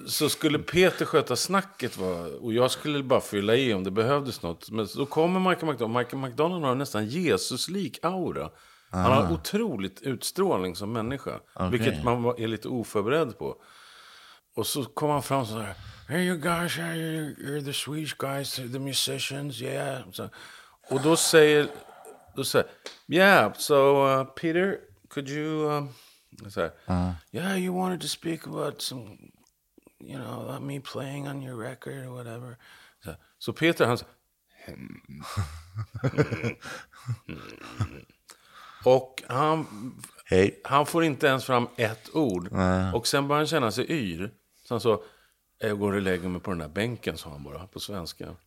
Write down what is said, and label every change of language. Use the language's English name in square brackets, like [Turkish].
[Swedish] Så skulle Peter sköta snacket. Va? Och jag skulle bara fylla i om det behövdes något. Men då kommer Michael McDonald. Michael McDonald har nästan Jesus-lik aura. Aha. Han har otroligt utstrålning som människa. Okay. Vilket man är lite oförberedd på. Och så kom han fram så här. [English] Hey you guys, you're the Swedish guys, the musicians, yeah. So, [Swedish] och då säger, [English] yeah, so Peter, could you, yeah, you wanted to speak about some, you know, about me playing on your record or whatever. [Swedish] So Peter, han säger, och han, [English] hey. [Swedish] Han får inte ens fram ett ord. Och sen börjar han känna sig yr, så han så, jag går och lägger mig på den här bänken, sa han bara, på svenska.